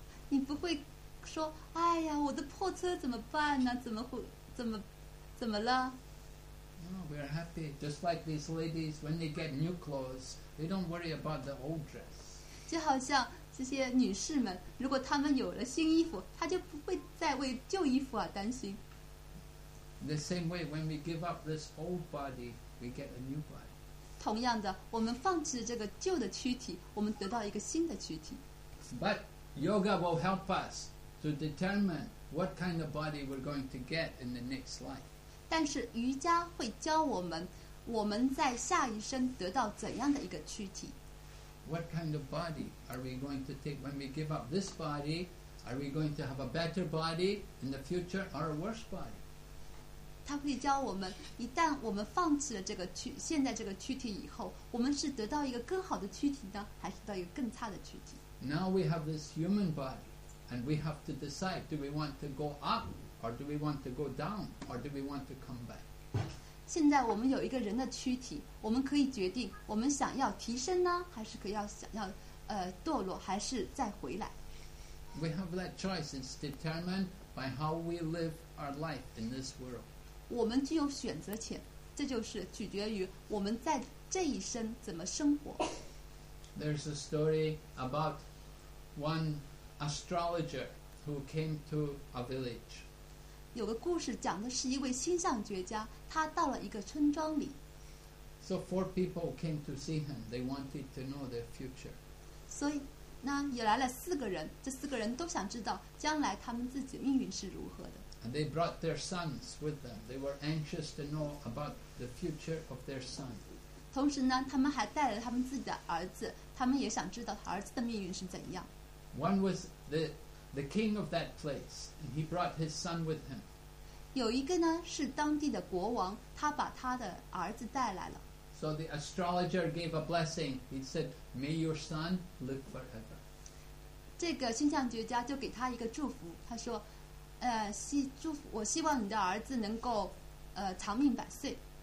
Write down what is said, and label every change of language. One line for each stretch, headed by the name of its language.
Chinese: 你不会说，哎呀，我的破车怎么办呢？怎么了？
English: No, we're happy, just like these ladies. When they get new clothes, they don't worry about the old dress.
Chinese: 就好像。这些女士们，如果她们有了新衣服，她就不会再为旧衣服而担心。
English: The same way, when we give up this old body, we get a new body.
Chinese: 同样的，我们放弃这个旧的躯体，我们得到一个新的躯体。
English: But yoga will help us to determine what kind of body we're going to get in the next life.
Chinese: 但是瑜伽会教我们，我们在下一生得到怎样的一个躯体。
English: What kind of body are we going to take when we give up this body? Are we going to have a better body in the future or a worse body?
Chinese: 他会教我们，一旦我们放弃了这个躯，现在这个躯体以后，我们是得到一个更好的躯体呢，还是到一个更差的躯体？
English: Now we have this human body. And we have to decide, do we want to go up, or do we want to go down, or do we want to come back?
Chinese: 现在我们有一个人的躯体，我们可以决定我们想要提升呢，还是可要想要堕落，还是再回来。
English: We have that choice. It's determined by how we live our life in this world.
Chinese: 我们具有选择权，这就是取决于我们在这一生怎么生活。
English: There's a story about one astrologer who came to a village.
Chinese: 有个故事讲的是一位星象学家，他到了一个村庄里。
English: So four people came to see him. They wanted to know their future.
Chinese: 所以。那也来了四个人，这四个人都想知道将来他们自己命运是如何的。
English: And they brought their sons with them. They were anxious to know about the future of their son.
Chinese: 同时呢，他们还带了他们自己的儿子，他们也想知道儿子的命运是怎样。
English: One was the king of that place, and he brought his son with him.
Chinese: 有一个呢是当地的国王，他把他的儿子带来了。
English: So the astrologer gave a blessing. He said, "May your son live forever."
Chinese: 这个星象学家就给他一个祝福。他说，祝福我希望你的儿子能够，长命百岁。